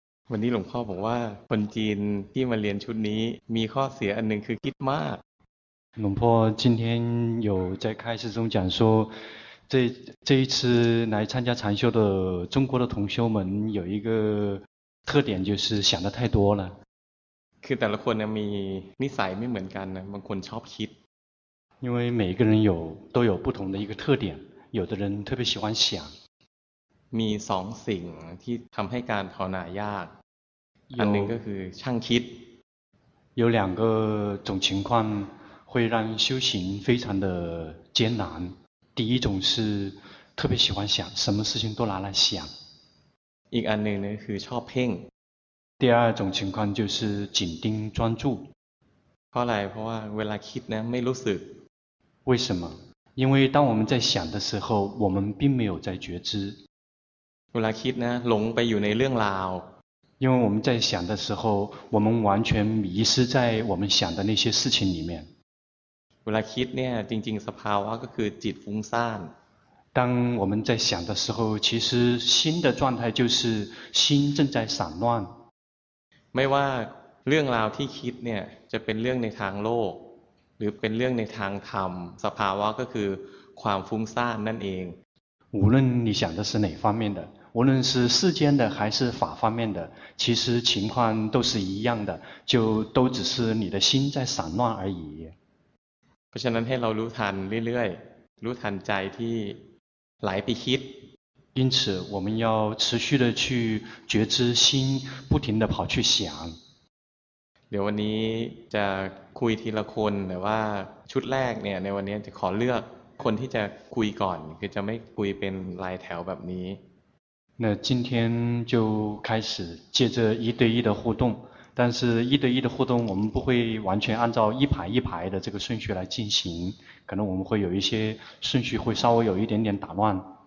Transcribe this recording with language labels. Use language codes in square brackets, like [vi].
[th] วันนี้หลวงพ่อบอกว่าคนจีนที่มาเรียนชุดนี้มีข้อเสียอันหนึ่งคือคิดมาก [zh] 龙婆今天有在开示中讲说，这一次来参加禅修的中国的同修们有一个特点，就是想的太多了。 [th] คือแต่ละคนมีนิสัยไม่เหมือนกันนะบางคนชอบคิด [zh] 因为每个人都有不同的一个特点，有的人特别喜欢想。 [th] มีสองสิ่งที่ทำให้การภาวนายากอันหนึ่งก็คือช่างคิด [zh] 有两个种情况会让修行非常的艰难第一种是特别喜欢想什么事情都拿来想 [th] อีกอันหนึ่งนะคือชอบเพ่ง [zh] 第二种情况就是紧盯专注 [th] เพราะอะไรเพราะว่าเวลาคิดนะไม่รู้สึก [zh] 为什么因为当我们在想的时候我们并没有在觉知 [th] เวลาคิดนะหลงไปอยู่ในเรื่องราว [zh] 因为我们在想的时候我们完全迷失在我们想的那些事情里面 [th] เวลาคิดเนี่ยจริงๆสภาวะก็คือจิตฟุ้งซ่าน [zh] 当我们在想的时候其实心的状态就是心正在散乱 [th] ไม่ว่าเรื่องราวที่คิดเนี่ยจะเป็นเรื่องในทางโลกหรือเป็นเรื่องในทางธรรมสภาวะก็คือความฟุ้งซ่านนั่นเอง [zh] 无论你想的是哪方面的无论是世间的还是法方面的其实情况都是一样的就都只是你的心在散乱而已 [th] เพราะฉะนั้นให้เรารู้ทันเรื่อยๆรู้ทันใจที่ไหลไปคิด [zh] 因此我们要持续的去觉知心不停的跑去想 [th] เดี๋ยววันนี้จะคุยทีละคนแต่ว่าชุดแรกเนี่ยในวันนี้จะขอเลือกคนที่จะคุยก่อนคือจะไม่คุยเป็นรายแถวแบบนี้ [zh] 那今天就开始接着一对一的互动但是一对一的互动我们不会完全按照一排一排的这个顺序来进行可能我们会有一些顺序会稍微有一点点打乱